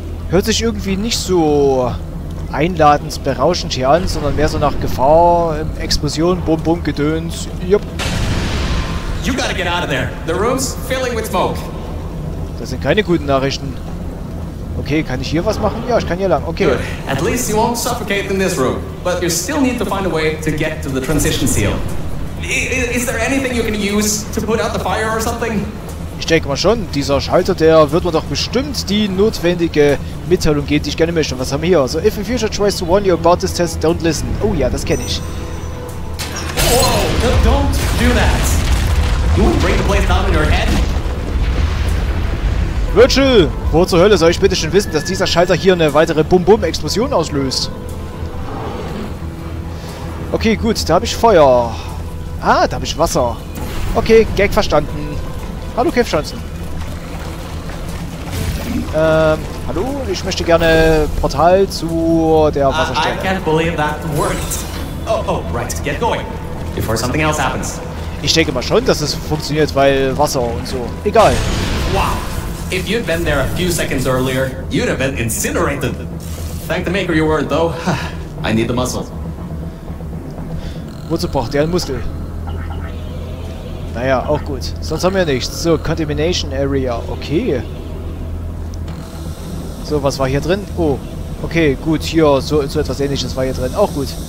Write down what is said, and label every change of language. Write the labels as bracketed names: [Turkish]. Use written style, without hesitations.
[German] Hört sich irgendwie nicht so einladend, berauschend hier an, sondern mehr so nach Gefahr, Explosion, bum bum, Gedöns, jupp. [English] You gotta get out of there. The room's filling with smoke. [German] Das sind keine guten Nachrichten. Okay, kann ich hier was machen? Ja, ich kann hier lang. Okay. [English] At least you won't suffocate in this room. But you still need to find a way to get to the transition seal. Is there anything you can use to put out the fire or something? [German] Ich denke mal schon, dieser Schalter, der wird mir doch bestimmt die notwendige Mitteilung geben, die ich gerne möchte. Was haben wir hier? [English] So, if a future tries to warn you about this test, don't listen. [German] Oh ja, das kenne ich. [English] Whoa, don't do that. You would break the place down in your head? [German] Virgil, wo zur Hölle soll ich bitte schon wissen, dass dieser Schalter hier eine weitere Bum-Bum-Explosion auslöst? Okay, gut, da habe ich Feuer. Ah, da habe ich Wasser. Okay, Gag verstanden. Hallo, Kev-Schanzen. Hallo, ich möchte gerne Portal zu der Wasserstelle. [English] I can't believe that worked. Oh, right, get going. Before something else happens. [German] Ich denke mal schon, dass es funktioniert, weil Wasser und so. Egal. Wow. [English] If you'd been there a few seconds earlier, you'd have been incinerated. Thank the maker you were, though. I need the muscle. [German] Wozu braucht ihr einen Muskel? Naja, auch gut. Sonst haben wir nichts. So, Contamination Area. Okay. So, was war hier drin? Oh. Okay, gut. Hier, so etwas Ähnliches war hier drin. Auch gut.